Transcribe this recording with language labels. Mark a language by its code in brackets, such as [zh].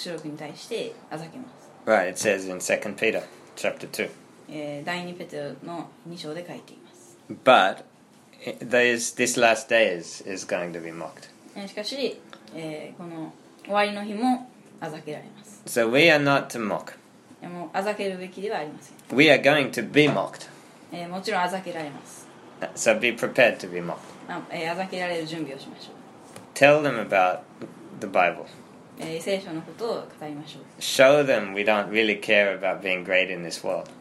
[ja] 世の終わりでは、あざける人たちが来て、神様の語った創造論や黙示録に対してあざけます。Right, [en] it says in 2 Peter chapter 2. [ja] 第2 ペテロの2章で書いています。But [en] this last day is going to be mocked. [ja] しかし、この終わりの日もあざけられます。So [en] we are not to mock. [ja] もうあざけるべきではありません。We [en] are going to be mocked. [ja] もちろんあざけられます。 [en] So be prepared to be mocked. [ja] あざけられる準備をしましょう。 [en] Tell them about the Bible. [ja] 聖書のことを語りましょう。 [en] Show them we don't really care about being great in this world.